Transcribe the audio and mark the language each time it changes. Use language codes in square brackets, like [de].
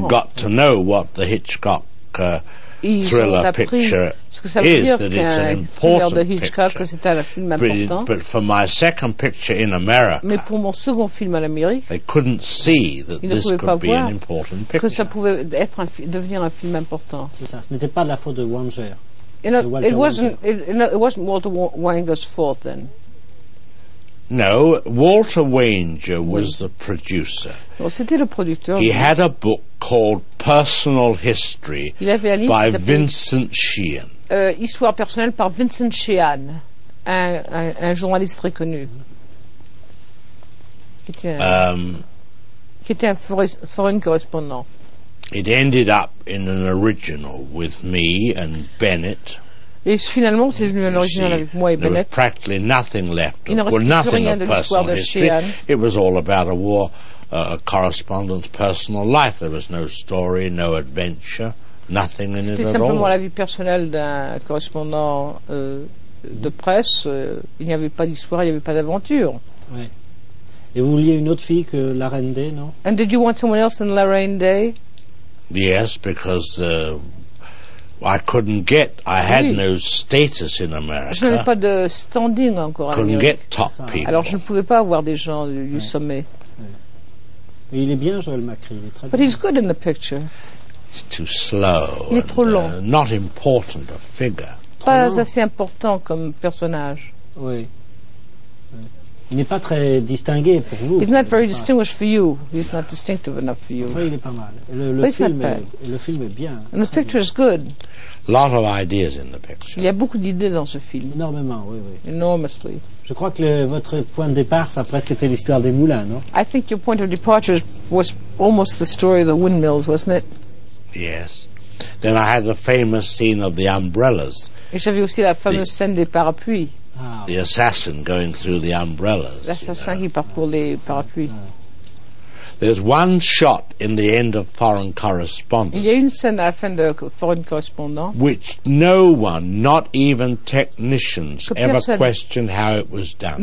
[en] They've got to know what the Hitchcock thriller picture is, that it's an important picture. But for my second picture in America, [fr] mais pour mon second film en Amérique, [en] they couldn't see that this could be an important picture. [fr] Que ça pouvait être devenir un film important. C'est ça. Ce n'était pas la faute de Wanger. [en] It wasn't Walter Wanger's fault then. No, Walter Wanger was the producer. [fr] Non, c'était le producteur. [en] He had a book called Personal History by Vincent Sheehan. [fr] Histoire personnelle par Vincent Sheehan, un journaliste très connu. Qui était un foreign correspondant. [en] It ended up in an original with me and Bennett. [fr] Et finalement, c'est venu à l'original [en] see, [fr] avec moi et Bennett. [en] There was practically nothing left. Well, nothing of personal history. It was all about a war correspondent's personal life. There was no story, no adventure, nothing in [fr] c'était [en] it at all. [fr] C'était simplement la vie personnelle d'un correspondant de presse. Il n'y avait pas d'histoire, il n'y avait pas d'aventure. Ouais. Et vous vouliez une autre fille que La Reine Day, non? [en] And did you want someone else than La Reine Day? Yes, because I couldn't get. I had no status in America. [fr] Je n'avais pas de standing encore. [en] Couldn't get top people. [fr] Alors je ne pouvais pas avoir des gens du sommet. Mais il est bien, Joel McRae. Il est très bien. [en] But he's good in the picture. It's too slow. [fr] Il est trop long. [en] Not important a figure. [fr] Pas assez important comme personnage. Oui. Il n'est pas très distingué pour vous. [en] He's not very distinguished for you. He's not distinctive enough for you. [fr] Enfin, il est pas mal. Le film est bien. [en] And the picture is good. Lot of ideas in the picture. [fr] Il y a beaucoup d'idées dans ce film. Énormément, oui, oui. [en] Enormously. [fr] Je crois que votre point de départ, ça a presque été l'histoire des moulins, non? [en] I think your point of departure was almost the story of the windmills, wasn't it? Yes. Then I had the famous scene of the umbrellas. [fr] Et j'avais aussi la fameuse scène des parapluies. [en] The assassin going through the umbrellas. [fr] L'assassin qui parcourt les parapluies. [en] There's one shot in the end of Foreign Correspondent. [fr] Il y a une scène à la fin de Foreign Correspondent. [en] Which no one, not even technicians, ever questioned how it was done.